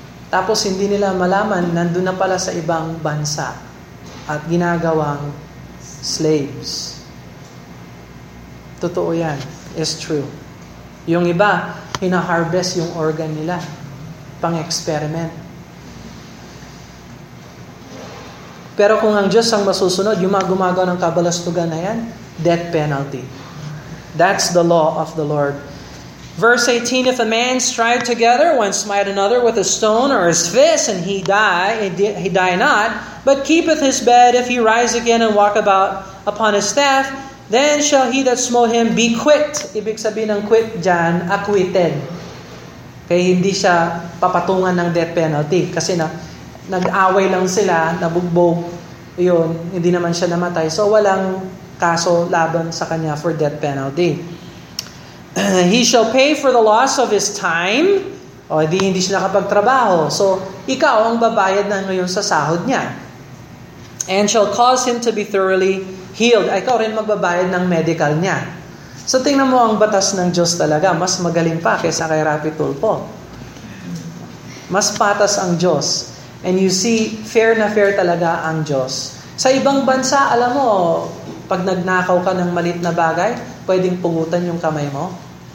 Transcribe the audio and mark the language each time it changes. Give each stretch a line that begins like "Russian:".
Filipino: Tapos hindi nila malaman, nandun na pala sa ibang bansa at ginagawang slaves. Totoo yan.
English: It's true.
Filipino: Yung iba, hina-harvest yung organ nila. Pang-experiment. Pero kung ang Diyos ang masusunod, yung mga gumagawa ng kabalastugan na yan, death penalty.
English: That's the law of the Lord. Verse 18, if a man strive together, one smite another with a stone or his fist, and he die not, but keepeth his bed, if he rise again and walk about upon his staff, then shall he that smote him be quit.
Filipino: Ibig sabihin ng quit dyan, acquitted. Kaya hindi siya papatungan ng death penalty. Kasi na, nag-away lang sila, nabugbog, yun, hindi naman siya namatay. So walang kaso laban sa kanya for death penalty.
English: He shall pay for the loss of his time.
Filipino: O, hindi siya nakapagtrabaho. So, ikaw ang babayad na ngayon sa sahod niya.
English: And shall cause him to be thoroughly healed.
Filipino: Ikaw rin magbabayad ng medical niya. So, tingnan mo ang batas ng Diyos talaga. Mas magaling pa kaysa kay Rapi Tulpo. Mas patas ang Diyos.
English: And you see,
Filipino: fair na fair talaga ang Diyos. Sa ibang bansa, alam mo, pag nagnakaw ka ng maliit na bagay, pwedeng pugutan yung kamay mo.